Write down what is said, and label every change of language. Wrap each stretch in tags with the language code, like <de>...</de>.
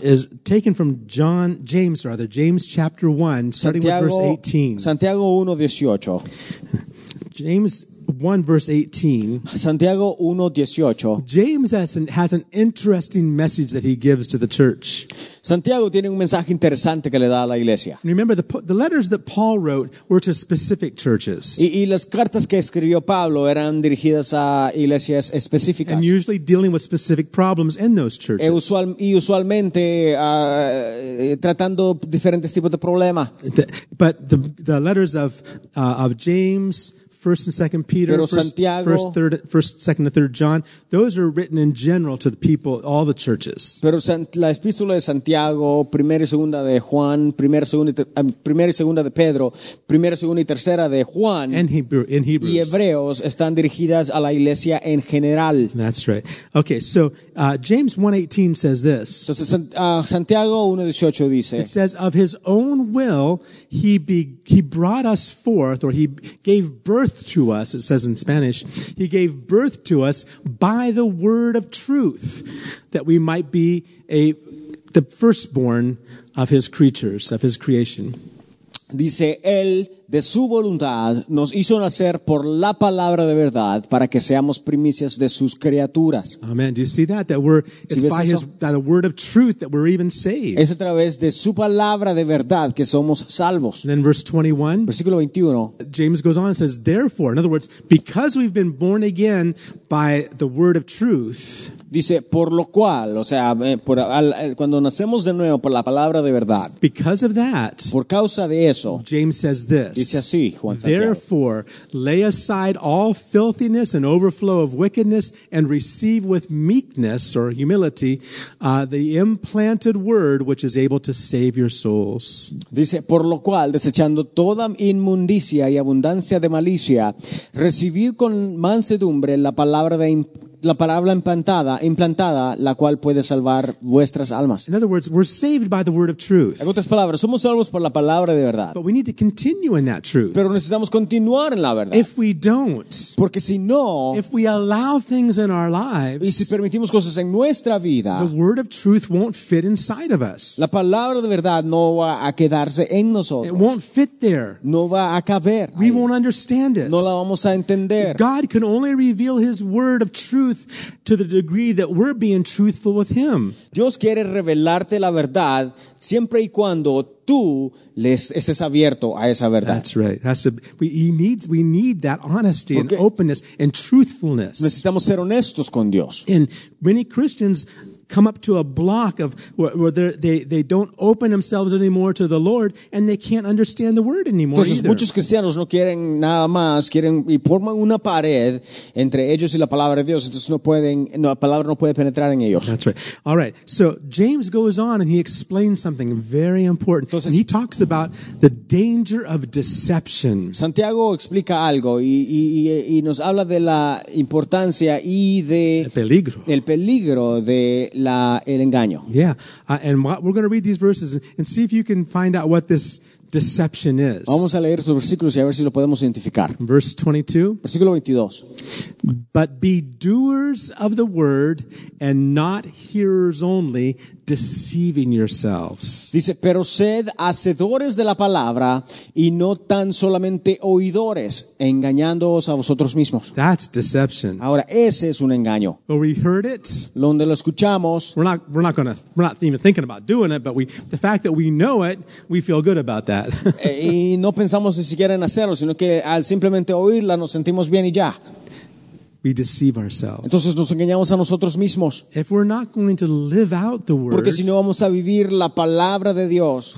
<en>is taken from James chapter 1, starting</en> <es>Santiago,</es> <en>with verse 18.</en> <es>Santiago 1:18.</es> <en>James 1 verse 18.</en> <es>Santiago 1, 18.</es> <en>James has an interesting message that he gives to the church.</en> <es>Santiago tiene un mensaje interesante que le da a la iglesia.</es> <en>Remember, the letters that Paul wrote were to specific churches.</en> <es>Y las cartas que escribió Pablo eran dirigidas a iglesias específicas.</es> <en>And usually dealing with specific problems in those churches.</en> <es>Y usualmente tratando diferentes tipos de problemas.</es> <en>But the letters of James, 1st and 2nd Peter, 1st, 2nd, and 3rd John, those are written in general to the people, all the churches.</en> <es>Pero la epístola de Santiago, 1ª y 2ª de Juan, 1ª y 2ª de Pedro, 1ª, 2ª y 3ª de Juan,</es> <en>and Hebrews.</en> <es>Y Hebreos están dirigidas a la iglesia en general.</es> <en>That's right. Okay, so James 1:18 says this.</en> <es>Entonces, Santiago 1:18 dice,</es> <en>it says, of his own will he brought us forth, or he gave birth to us, it says in Spanish, he gave birth to us by the word of truth, that we might be the firstborn of his creatures, of his creation.</en> <es>Dice, él de su voluntad nos hizo nacer por la palabra de verdad para que seamos primicias de sus criaturas.</es> <en>Amen. Do you see that? That we're, it's by the word of truth that we're even saved.</en> <es>Es a través de su palabra de verdad que somos salvos.</es> <en>And then verse 21,</en> <es>versículo 21,</es> <en>James goes on and says, therefore, in other words, because we've been born again by the word of truth,</en> <es>dice, por lo cual, o sea, cuando nacemos de nuevo por la palabra de verdad,</es> <en>because of that,</en> <es>por causa de eso,</es> <en>James says this,</en> <es>dice así, Juan,</es> <en>therefore, lay aside all filthiness and overflow of wickedness and receive with meekness, or humility, the implanted word which is able to save your souls.</en> <es>Dice, por lo cual, desechando toda inmundicia y abundancia de malicia, recibid con mansedumbre la palabra implantada, la cual puede salvar vuestras almas.</es> <en>In other words, we're saved by the word of truth.</en> <es>En otras palabras, somos salvos por la palabra de verdad.</es> <en>But we need to continue in that truth.</en> <es>Pero necesitamos continuar en la verdad.</es> <en>If we don't,</en> <es>porque si no,</es> <en>if we allow things in our lives,</en> <es>y si permitimos cosas en nuestra vida,</es> <en>the word of truth won't fit inside of us.</en> <es>La palabra de verdad no va a quedarse en nosotros.</es> <en>It won't fit there.</en> <es>No va a caber.</es> <en>We won't understand it.</en> <es>No la vamos a entender.</es> <en>God can only reveal his word of truth to the degree that we're being truthful with him.</en> <es>Dios quiere revelarte la verdad siempre y cuando tú estés abierto a esa verdad.</es> <en>That's right. We need that honesty, okay, and openness and truthfulness.</en> <es>Necesitamos ser honestos con Dios.</es> <en>And many Christians come up to a block of where they don't open themselves anymore to the Lord, and they can't understand the word anymore.</en> <es>Entonces,</es> <en>either.</en> <es>Muchos cristianos no quieren nada más, quieren y forman una pared entre ellos y la palabra de Dios. Entonces la palabra no puede penetrar en ellos.</es> <en>That's right. All right. So James goes on and he explains something very important.</en> <es>Entonces,</es> <en>and he talks about the danger of deception.</en> <es>Santiago explica algo y nos habla de la importancia y de el peligro de el engaño.</es> <en>Yeah, we're going to read these verses and see if you can find out what this deception is.</en> <es>Vamos a leer estos versículos y a ver si lo podemos identificar.</es> <en>Verse 22.</en> <es>Versículo 22.</es> <en>But be doers of the word and not hearers only, deceiving yourselves.</en> <es>Dice, pero sed hacedores de la palabra y no tan solamente oidores, engañándoos a vosotros mismos.</es> <en>That's deception.</en> <es>Ahora, ese es un engaño.</es> <en>But we heard it.</en> <es>Donde lo escuchamos.</es> <en>We're not even thinking about doing it, but the fact that we know it, we feel good about that.</en> <es>Y no pensamos ni siquiera en hacerlo, sino que al simplemente oírla nos sentimos bien y ya.</es> <en>We deceive ourselves.</en> <es>Entonces nos engañamos a nosotros mismos.</es> <en>If we're not going to live out the word,</en> <es>porque si no vamos a vivir la palabra de Dios,</es>